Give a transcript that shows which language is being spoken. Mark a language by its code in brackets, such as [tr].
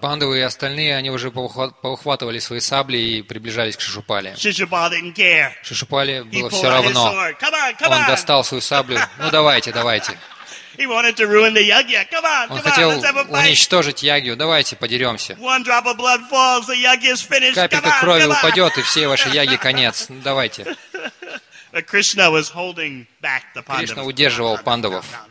[ru] Пандавы и остальные, они уже поухватывали свои сабли и приближались к Шишупале. [en] Шишупала didn't care. [ru] Шишупале было все равно. [en] Come on. [ru] Он достал свою саблю. Ну давайте. [en] He wanted to ruin the yagya. Come on, let's have a fight. [ru] Он хотел уничтожить ягью. Давайте подеремся. [en] One drop of blood falls, the yagya is finished. [ru] Капелька крови упадет, и всей вашей яги конец. Ну, давайте. [en] But Krishna was holding back the Pandavas. [ru] Кришна удерживал пандавов.